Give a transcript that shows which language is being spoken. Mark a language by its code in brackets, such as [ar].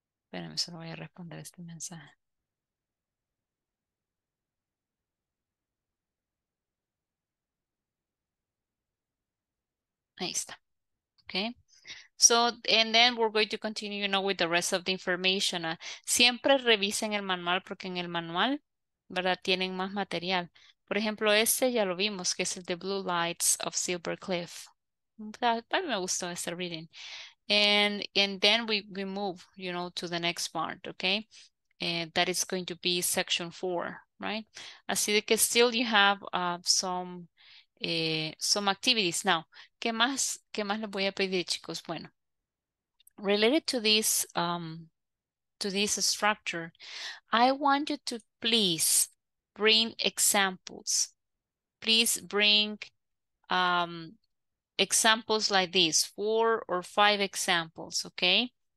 [es] Espérame, solo voy a responder este mensaje. Ahí está. Okay. [en] So, and then we're going to continue, you know, with the rest of the information. [es] Siempre revisen el manual, porque en el manual, ¿verdad?, tienen más material. Por ejemplo, este ya lo vimos, que es el de Blue Lights of Silver Cliff. A mí me gustó este reading. [en] And then we move, you know, to the next part, okay? And that is going to be section 4, right? [es] Así de que [en] still you have some activities. Now, [es] ¿qué más les voy a pedir, chicos? Bueno, [en] related to this structure, I want you to please bring examples. Please bring examples like this, 4 or 5 examples, okay?